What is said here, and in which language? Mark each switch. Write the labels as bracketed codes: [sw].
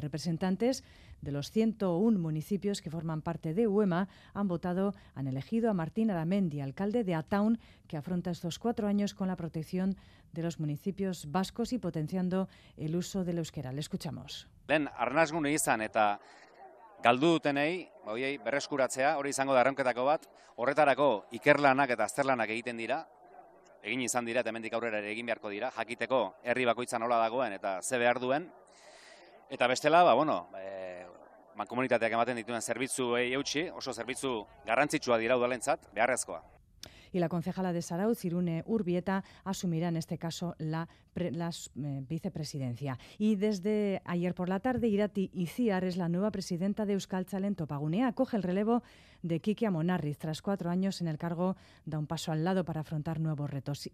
[es] Representantes de los 101 municipios que forman parte de UEMA han elegido a Martín Aramendi, alcalde de Ataun, que afronta estos cuatro años con la protección de los municipios vascos y potenciando el uso del euskera. Le escuchamos. [eu] Len, arnasgun izan eta galdu dutenei, horiei berreskuratzea, hori izango da erronketako bat. Horretarako ikerlanak eta azterlanak egiten dira. Egin izan dira, hemendik aurrera ere egin beharko dira, jakiteko herri bakoitza nola dagoen eta ze behar duen. Eta bestela, ba bueno, mankomunitateak ematen dituen zerbitzuei eutsi, oso zerbitzu garrantzitsua dira udalentzat, beharrezkoa. [es] Y la concejala de Zarautz, Irune Urbieta, asumirá en este caso la vicepresidencia. Y desde ayer por la tarde, Irati Iciar es la nueva presidenta de Euskaltzale en Topagunea. Coge el relevo de Kiki Amonarriz. Tras 4 años en el cargo, da un paso al lado para afrontar nuevos retos.